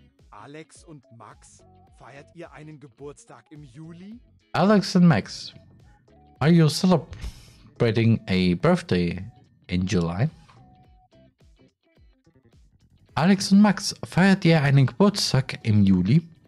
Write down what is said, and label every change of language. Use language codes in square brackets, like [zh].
[de] Alex und Max, feiert ihr einen Geburtstag im Juli? [en] Alex and Max, are you celebrating a birthday in July? [de] Alex und Max, feiert ihr einen Geburtstag im Juli?